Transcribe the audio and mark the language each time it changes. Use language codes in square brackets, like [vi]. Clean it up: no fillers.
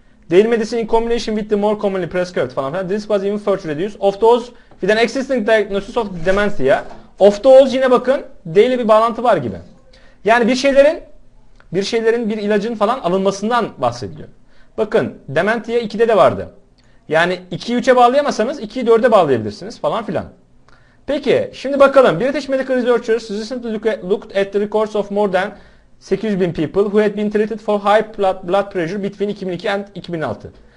[en] Daily medicine in combination with the more commonly prescribed [tr] falan filan. [en] This was even further reduced. Of those with an existing diagnosis of dementia. Of those [tr] yine bakın daily bir bağlantı var gibi. Yani bir şeylerin bir ilacın falan alınmasından bahsediliyor. Bakın dementia 2'de de vardı. Yani 2'yi 3'e bağlayamasanız 2'yi 4'e bağlayabilirsiniz falan filan. Peki şimdi bakalım. [en] British Medical Researchers recently looked at the records of more than 800 bin people who had been treated for high blood pressure between 2002 and 2006.